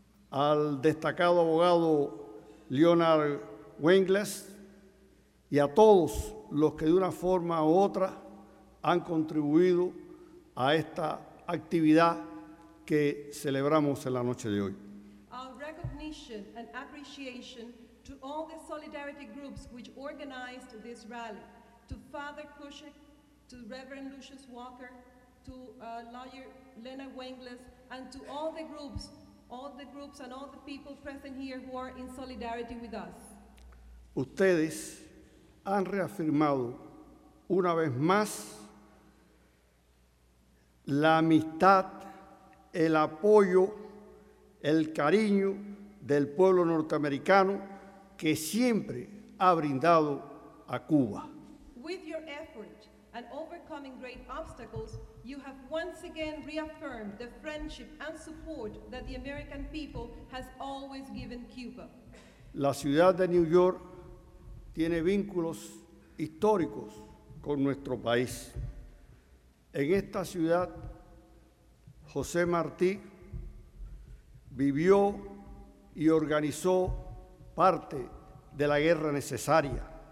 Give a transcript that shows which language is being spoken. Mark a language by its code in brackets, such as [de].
[es] al destacado abogado Leonard Wengles y a todos los que de una forma u otra han contribuido a esta actividad que celebramos en la noche de hoy. [en] Our recognition and appreciation to all the solidarity groups which organized this rally, to Father Kushek, to Reverend Lucius Walker, to Lawyer Leonard Wengles, and to all the groups and all the people present here who are in solidarity with us. [es] Ustedes han reafirmado una vez más la amistad, el apoyo, el cariño del pueblo norteamericano que siempre ha brindado a Cuba. [en] With your effort and overcoming great obstacles, you have once again reaffirmed the friendship and support that the American people has always given Cuba. [es] La ciudad de New York tiene vínculos históricos con nuestro país. En esta ciudad, José Martí vivió y organizó parte de la guerra necesaria.